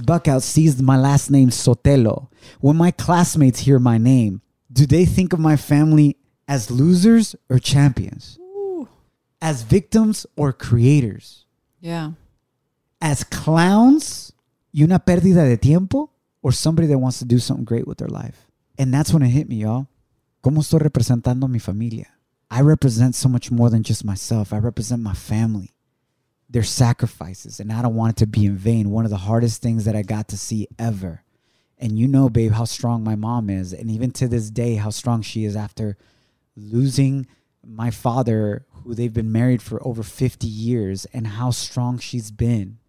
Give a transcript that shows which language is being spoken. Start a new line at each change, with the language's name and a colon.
English: Buckout, sees my last name, Sotelo, when my classmates hear my name, do they think of my family as losers or champions? Ooh. As victims or creators? Yeah. As clowns,
Spanish: y una pérdida de tiempo,
English: or somebody that wants to do something great with their life? And that's when it hit me, y'all.
Spanish: ¿Cómo estoy representando a mi familia?
English: I represent so much more than just myself. I represent my family. Their sacrifices, and I don't want it to be in vain. One of the hardest things that I got to see ever. And you know, babe, how strong my mom is. And even to this day, how strong she is after losing my father, who they've been married for over 50 years, and how strong she's been.